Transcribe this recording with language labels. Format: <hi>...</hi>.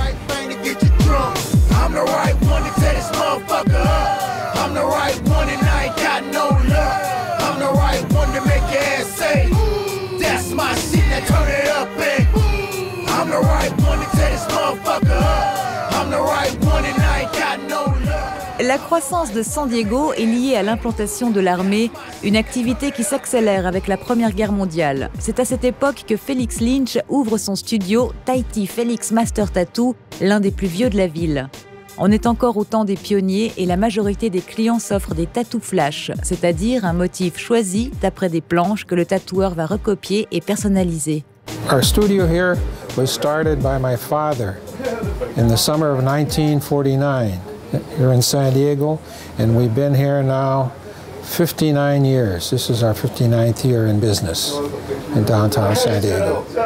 <en>I'm the right thing to get you drunk. I'm the right one to tell this motherfucker up. I'm the right one and I ain't got no luck. I'm the right one to make your ass say, that's my shit, now turn it up, eh? I'm the right one to tell this motherfucker up. I'm the right one and I ain't got no luck.</en> <fr>La croissance de San Diego est liée à l'implantation de l'armée, une activité qui s'accélère avec la Première Guerre mondiale. C'est à cette époque que Felix Lynch ouvre son studio Tahiti Felix Master Tattoo, l'un des plus vieux de la ville. On est encore au temps des pionniers et la majorité des clients s'offrent des tattoo flash, c'est-à-dire un motif choisi d'après des planches que le tatoueur va recopier et personnaliser.</fr> <en>Our studio here was started by my father in the summer of 1949 here in San Diego, and we've been here now 59 years. This is our 59th year in business in downtown San Diego.</en>